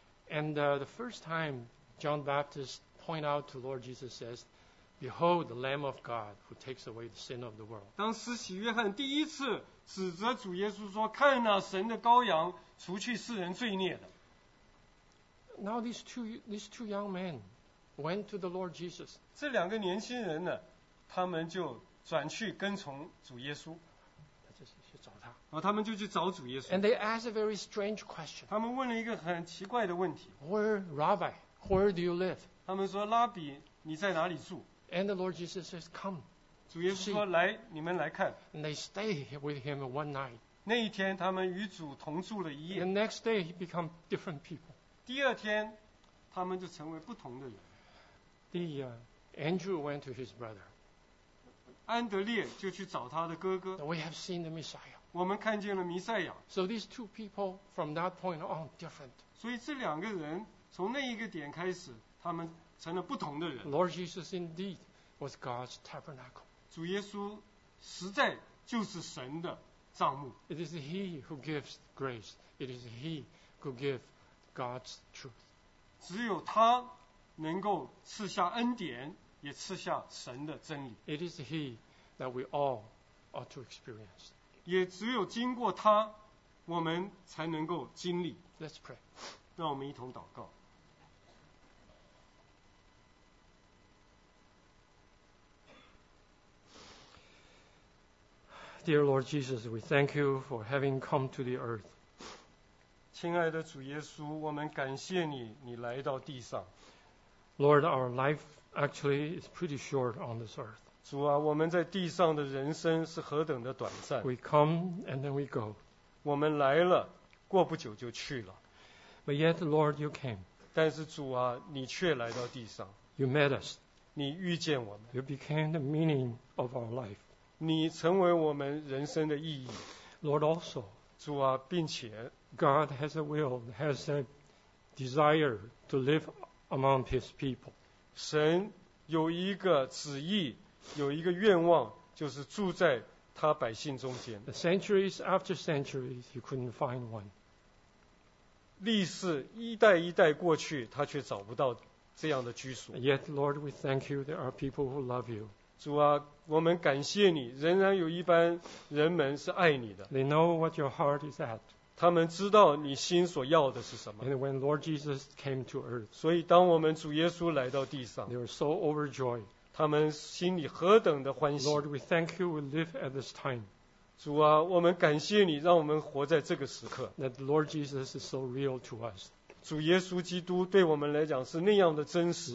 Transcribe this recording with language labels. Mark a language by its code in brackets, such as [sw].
[en] And the first time John the Baptist. Point out to Lord Jesus says, "Behold, the Lamb of God who takes away the sin of the world." [zh] 当施洗约翰第一次指责主耶稣说：“看哪，神的羔羊，除去世人罪孽的。” [en] Now these two young men went to the Lord Jesus. [zh] 这两个年轻人呢，他们就转去跟从主耶稣。他们就去找主耶稣。 [en] And they asked a very strange question. [zh] 他们问了一个很奇怪的问题。 [en] Where, Rabbi? Where do you live? [zh] 他们说：“拉比，你在哪里住 [en] ？”And the Lord Jesus says, "Come." [zh] 主耶稣说：“来，你们来看。 [en] ”And they stay with him one night. [zh] 那一天，他们与主同住了一夜。 [en] The next day, he become different people. [zh] 第二天，他们就成为不同的人。 [en] Andrew went to his brother. [zh] 安德烈就去找他的哥哥。 [en] We have seen the Messiah. [zh] 我们看见了弥赛亚。 [en] So these two people from that point on different. [zh] 所以这两个人从那一个点开始。他们成了不同的人。 [en] Lord Jesus indeed was God's tabernacle. [zh] 主耶稣实在就是神的帐幕。 [en] It is He who gives grace. It is He who gives God's truth. [zh] 只有他能够赐下恩典，也赐下神的真理。 [en] It is He that we all ought to experience. [zh] 也只有经过他，我们才能够经历。 [en] Let's pray. [zh] 让我们一同祷告。 [en] Dear Lord Jesus, we thank you for having come to the earth. [zh] 亲爱的主耶稣，我们感谢你，你来到地上。 [en] Lord, our life actually is pretty short on this earth. [zh] 主啊，我们在地上的人生是何等的短暂。 [en] We come and then we go. [zh] 我们来了，过不久就去了。 [en] But yet, Lord, you came. [zh] 但是主啊，你却来到地上。 [en] You met us. [zh] 你遇见我们。 [en] You became the meaning of our life. [zh] 你成为我们人生的意义。 [en] Lord also, [zh] 主啊，并且 [en] God has a will, has a desire to live among His people. [zh] 神有一个旨意，有一个愿望，就是住在他百姓中间。 [en] The centuries after centuries, he couldn't find one. [zh] 历史一代一代过去，他却找不到这样的居所。 [en] Yet, Lord, we thank you. There are people who love you. [zh] 主啊，我们感谢你，仍然有一般人们是爱你的。 [en] They know what your heart is at. [zh] 他们知道你心所要的是什么。 [en] And when Lord Jesus came to earth, [zh] 所以当我们主耶稣来到地上 [en] ，they were so overjoyed. [zh] 他们心里何等的欢喜。 [en] Lord, we thank you. We live at this time. [zh] 主啊，我们感谢你，让我们活在这个时刻。 [en] That Lord Jesus is so real to us. [zh] 主耶稣基督对我们来讲是那样的真实。